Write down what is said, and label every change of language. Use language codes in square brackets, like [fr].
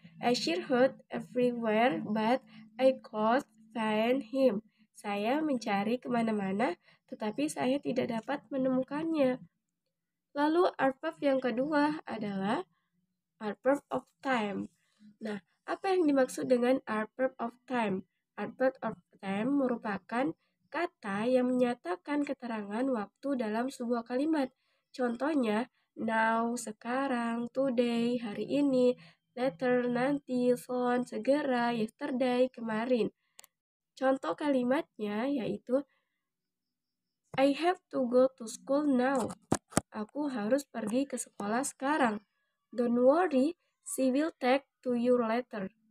[en] As she heard everywhere, but I could find him. [id] Saya mencari kemana-mana, tetapi saya tidak dapat menemukannya. Lalu adverb yang kedua adalah adverb of time. Nah, apa yang dimaksud dengan adverb of time? Adverb of time merupakan kata yang menyatakan keterangan waktu dalam sebuah kalimat. Contohnya, now, sekarang, today, hari ini, later, nanti, soon, segera, yesterday, kemarin. Contoh kalimatnya yaitu, [en] I have to go to school now. [id] Aku harus pergi ke sekolah sekarang. [en] Don't worry, she will talk to you later.